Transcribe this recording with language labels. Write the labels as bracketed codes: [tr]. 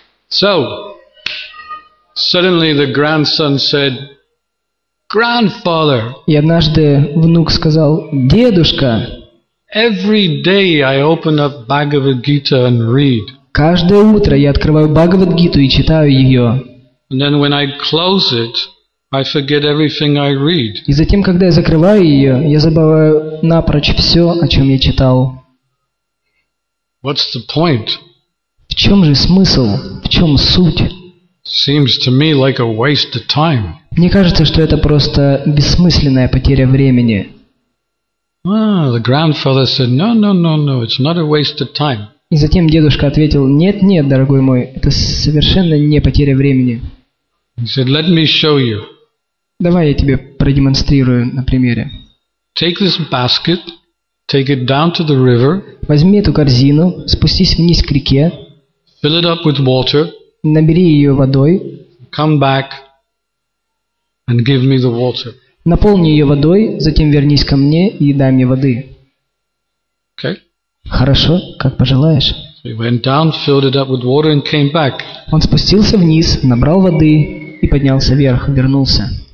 [en] So, suddenly the grandson said, "Grandfather." [ru] И однажды внук сказал: "Дедушка." [en] Every day I open up Bhagavad Gita and read. [ru] Каждое утро я открываю Бхагавад Гиту и читаю ее. [en] And then when I close it, I forget everything I read. [ru] И затем, когда я закрываю ее, я забываю напрочь все, о чем я читал. [en] What's the point? [ru] В чем же смысл? В чем суть? [en] Seems to me like a waste of time. [ru] Мне кажется, что это просто бессмысленная потеря времени. [en] Ah, the grandfather said, no, it's not a waste of time. [ru] И затем дедушка ответил: нет, дорогой мой, это совершенно не потеря времени. [en] He said, let me show you. [ru] Давай я тебе продемонстрирую на примере. [en] Take this basket, take it down to the river. [ru] Возьми эту корзину, спустись вниз к реке. [en] Fill it up with water. [ru] Набери ее водой. [en] Come back and give me the water. [ru] Наполни ее водой, затем вернись ко мне и дай мне воды. [en] Okay. [ru] Хорошо, как пожелаешь. [en] So he went down, filled it up with water and came back. [ru] Он спустился вниз, набрал воды и поднялся вверх, вернулся.